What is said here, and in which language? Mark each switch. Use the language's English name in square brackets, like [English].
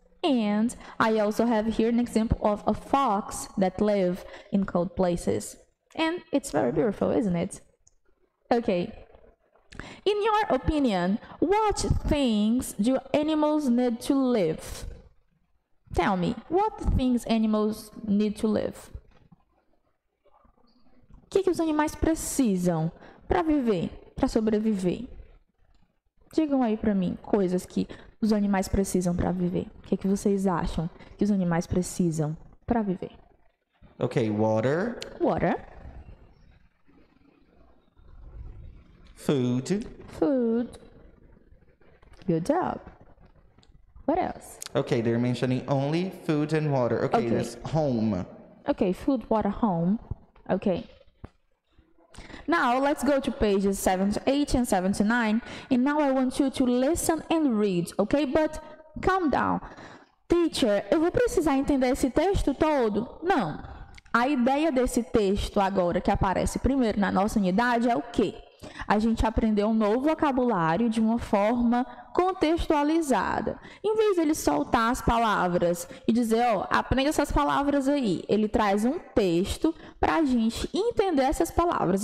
[English] And I also have here an example of a fox that live in cold places. And it's very beautiful, isn't it? Okay. In your opinion, what things do animals need to live? Tell me, what things animals need to live? [Portuguese] O que os animais precisam para viver, para sobreviver? Digam aí para mim coisas que os animais precisam para viver. O que vocês acham que os animais precisam para viver? [English] Okay, water. Water. Food. Food. Good job. What else? Okay, they're mentioning only food and water. Okay, okay. That's home. Okay, food, water, home. Okay. Now, let's go to pages 78 and 79, and now I want you to listen and read, okay? But calm down. [Portuguese] Teacher, eu vou precisar entender esse texto todo? Não. A ideia desse texto agora, que aparece primeiro na nossa unidade, é o quê? a gente aprender um novo vocabulário de uma forma contextualizada. Em vez de ele soltar as palavras e dizer, ó, aprenda essas palavras aí, ele traz um texto para a gente entender essas palavras.